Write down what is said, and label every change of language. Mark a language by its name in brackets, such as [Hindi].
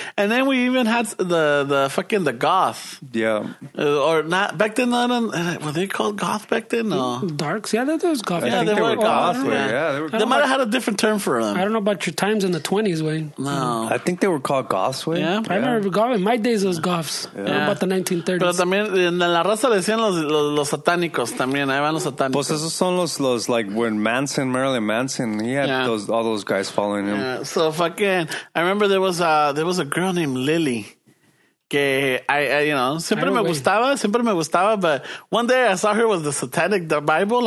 [English] And then we even had the fucking the goth. Yeah. Or not back then, were they called goth back then? No. Darks? Yeah, there was goth. Yeah, they were goth. Yeah. They might have had a different term for them. I don't know about your times in the 20s, Wayne. No. I think they were called goths, Wayne. Yeah. I remember goth. In my days, it was goths. Yeah. About the 1930s. [Spanish] Pero también en la raza le decían los satánicos también, ahí van los satánicos. Pues esos son los [English] like when Marilyn Manson, he had all those guys following him. Yeah. So fucking, I remember there was a girl named Lily. [Spanish] que [English] I you know, [Spanish] siempre me gustaba, [English] but one day I saw her with the Satanic Bible.